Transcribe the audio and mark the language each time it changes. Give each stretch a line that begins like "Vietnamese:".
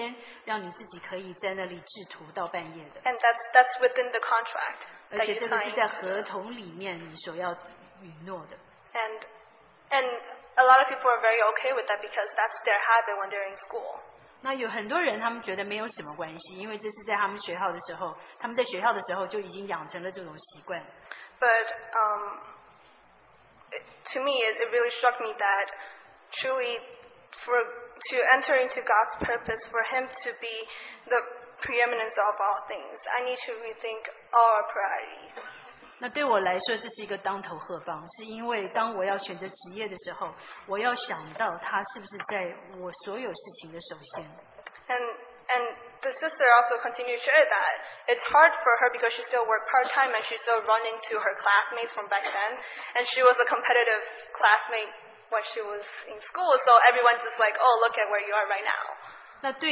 Chinese: 那甚至你在进入学校要做事的时候，他们都说你要一个礼拜选择三天，让你自己可以在那里制图到半夜的。
English: And that's within the contract.
Chinese: 而且这个是在合同里面你所要允诺的。
English: And a lot of people are very okay with that because that's their habit when they're in school.
Chinese: 那有很多人他们觉得没有什么关系，因为这是在他们学校的时候，他们在学校的时候就已经养成了这种习惯。
English: But to me, it really struck me that truly to enter into God's purpose, for him to be the preeminence of all things, I need to rethink all our priorities.
Chinese: 那对我来说，这是一个当头喝棒，是因为当我要选择职业的时候，我要想到他是不是在我所有事情的首先。
English: And the sister also continued to share that it's hard for her because she still worked part time and she's still running to her classmates from back then, and she was a competitive classmate when she was in school, so everyone's just like, oh, look at where you are right now.